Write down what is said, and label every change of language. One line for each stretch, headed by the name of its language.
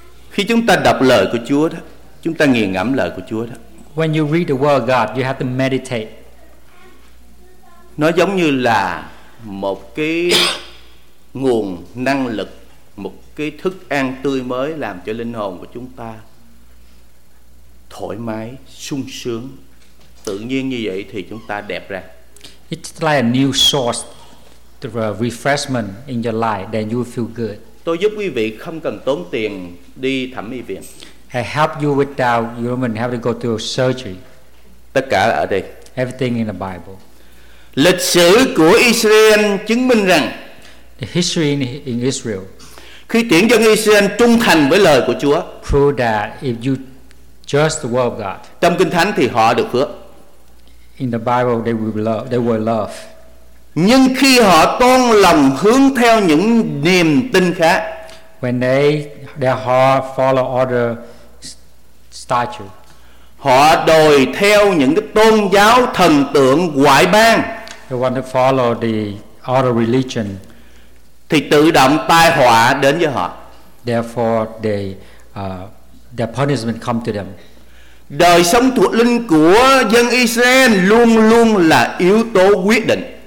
Vietnamese: Khi chúng ta đọc lời của Chúa đó, chúng ta nghiền ngẫm lời của Chúa đó.
English: When you read the word of God, you have to meditate.
Vietnamese: Nó giống như là một cái nguồn năng lực, một cái thức ăn tươi mới làm cho linh hồn của chúng ta thoải mái, sung sướng. Tự nhiên như vậy thì chúng ta đẹp ra.
English: It's like a new source of refreshment in your life, then you feel good.
Vietnamese: Tôi giúp quý vị không cần tốn tiền đi thẩm mỹ viện.
English: I help you without you don't have to go to a surgery.
Vietnamese: Tất cả ở đây.
English: Everything in the Bible.
Vietnamese: Lịch sử của Israel chứng minh rằng
English: the history in Israel,
Vietnamese: khi tuyển dân Israel trung thành với lời của Chúa,
English: prove that if you trust the word of God,
Vietnamese: trong Kinh Thánh thì họ được phước.
English: In the Bible they will love, they were loved.
Vietnamese: Nhưng khi họ tôn lòng hướng theo những niềm tin khác,
English: when they their heart follow other statue,
Vietnamese: họ đòi theo những cái tôn giáo thần tượng ngoại bang,
English: they want to follow the other religion,
Vietnamese: thì tự động tai họa đến với họ.
English: Therefore they their punishment come to them.
Vietnamese: Đời sống thuộc linh của dân Israel luôn luôn là yếu tố quyết định.